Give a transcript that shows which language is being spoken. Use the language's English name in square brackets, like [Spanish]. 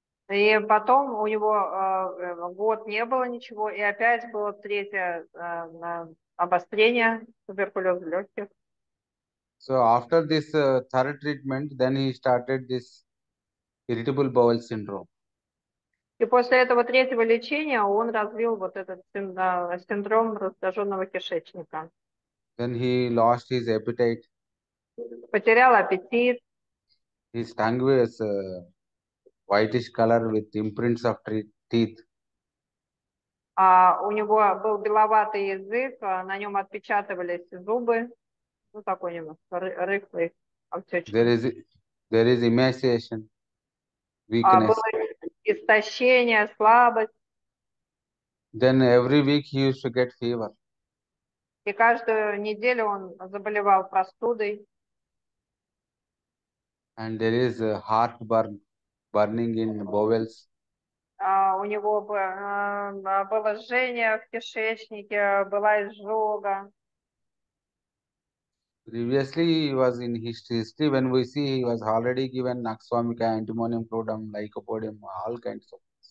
[Russian] И потом у него год не было ничего, и опять было третье обострение туберкулеза легких. [English] So after this third treatment, then he started this irritable bowel syndrome. [Russian] И после этого третьего лечения он развил вот этот синдром разряженного кишечника. [English] Then he lost his appetite. [Russian] Потерял аппетит. [English] His tongue was whitish color with imprints of teeth. [Russian] А у него был беловатый язык, на нем отпечатывались зубы, ну такой немножко рыхлый, [English] There [Russian] обтечка. [English] is emaciation, [Russian] А было [English] weakness. [Russian] истощение, слабость. [English] Then every week he used to get fever. [Russian] И каждую неделю он заболевал простудой. [English] And there is a heartburn, burning in bowels. [Russian] У него было жжение в кишечнике, была изжога. [English] Previously he was in history. When we see, he was already given Nag Swamika, Antimonium Prodrum, Lycopodium, all kinds of.